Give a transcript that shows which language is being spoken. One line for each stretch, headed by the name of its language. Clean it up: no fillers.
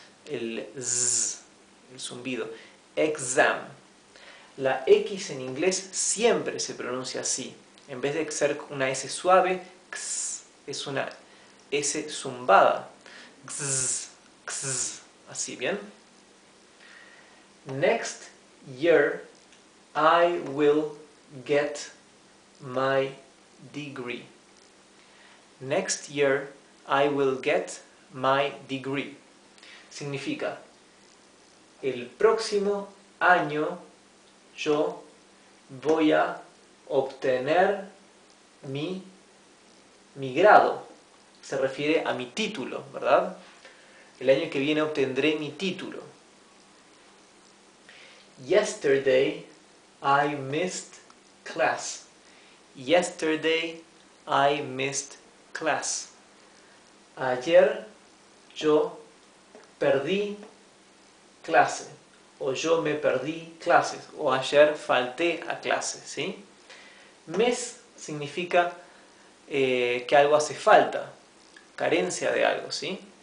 Spanish: El zumbido. Exam. La X en inglés siempre se pronuncia así. En vez de ser una S suave, X, es una S zumbada. X, X, así, ¿bien?
English: Next year I will get my degree. Next year I will get my degree.
Spanish: Significa, el próximo año yo voy a obtener mi grado. Se refiere a mi título, ¿verdad? El año que viene obtendré mi título.
English: Yesterday I missed class. Yesterday I missed class.
Spanish: Ayer yo perdí clase, o yo me perdí clases, o ayer falté a clase, ¿sí? Miss significa que algo hace falta, carencia de algo, ¿sí?